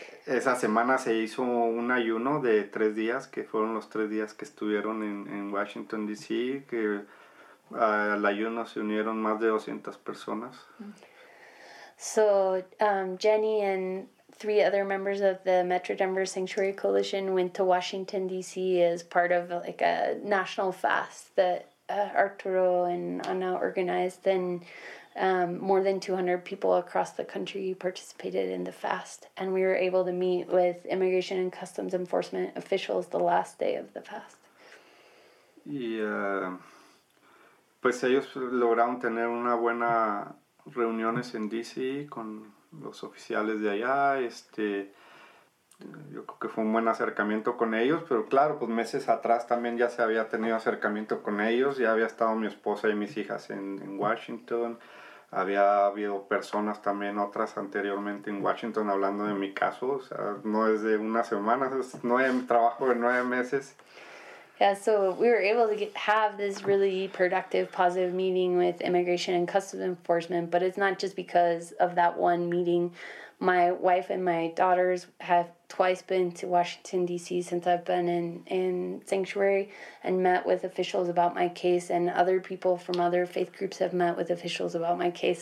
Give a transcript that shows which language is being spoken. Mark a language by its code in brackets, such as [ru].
[es] Esa semana se hizo un ayuno de 3 días, que fueron los 3 días que estuvieron en Washington, D.C., que al ayuno se unieron más de 200 personas. [en] So, Jenny and 3 other members of the Metro Denver Sanctuary Coalition went to Washington, D.C. as part of like a national fast that Arturo and Ana organized, and more than 200 people across the country participated in the fast, and we were able to meet with Immigration and Customs Enforcement officials the last day of the fast. [es] Y pues ellos lograron tener una buena reuniones en D.C. con los oficiales de allá. Yo creo que fue un buen acercamiento con ellos, pero claro, pues meses atrás también ya se había tenido acercamiento con ellos, ya había estado mi esposa y mis hijas en Washington. Había habido personas también otras anteriormente en Washington hablando de mi caso. O sea, no es de una semana, es trabajo de 9 meses. [en] Yeah, so we were able to have this really productive, positive meeting with Immigration and Customs Enforcement, but it's not just because of that one meeting. My wife and my daughters have twice been to Washington, D.C. since I've been in sanctuary and met with officials about my case, and other people from other faith groups have met with officials about my case.